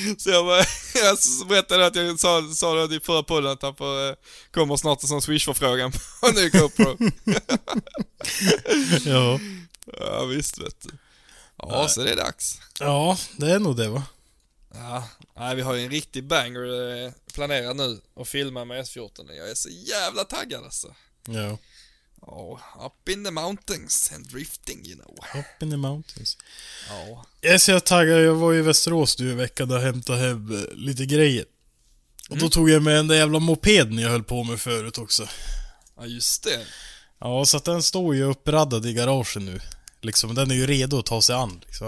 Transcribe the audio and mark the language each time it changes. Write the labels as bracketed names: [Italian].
[Swedish] Så jag bara, så berättade att jag sa det i förra podden att han kommer snart en sån swish-förfrågan på en ny GoPro. Ja. Ja, visst vet du. Ja, nej. Så det är dags. Ja, det är nog det va? Ja, nej, vi har ju en riktig banger planerad nu och filma med S14. Jag är så jävla taggad alltså. Ja. [English] Oh, up in the mountains and drifting, you know. Up in the mountains. [Swedish] Ja. Jag ser att taggar, jag var ju i Västerås nu i veckan och hämtade hem lite grejer. Och då tog jag med den jävla mopeden jag höll på med förut också. Ja, just det. Ja, så att den står ju uppraddad i garagen nu. Liksom, den är ju redo att ta sig an. Liksom.